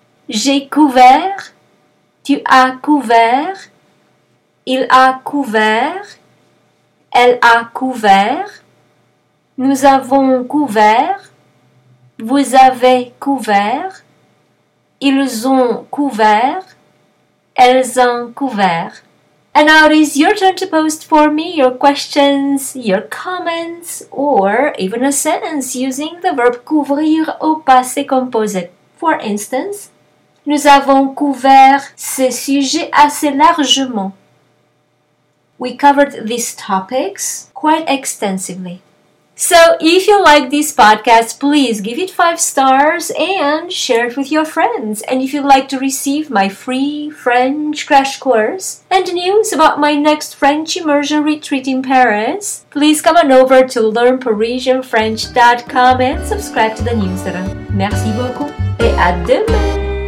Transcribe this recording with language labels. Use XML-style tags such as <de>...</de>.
<fr>J'ai couvert, tu as couvert, il a couvert, elle a couvert, nous avons couvert, vous avez couvert, ils ont couvert, elles ont couvert.</fr> <en>And now it is your turn to post for me your questions, your comments, or even a sentence using the verb</en> <fr>couvrir au passé composé.</fr> <en>For instance,</en> <fr>nous avons couvert ce sujet assez largement.</fr> <en>We covered these topics quite extensively. So if you like this podcast, please give it 5 stars and share it with your friends. And if you'd like to receive my free French crash course and news about my next French immersion retreat in Paris, please come on over to learnparisianfrench.com and subscribe to the newsletter.</en> <fr>Merci beaucoup et à demain!</fr>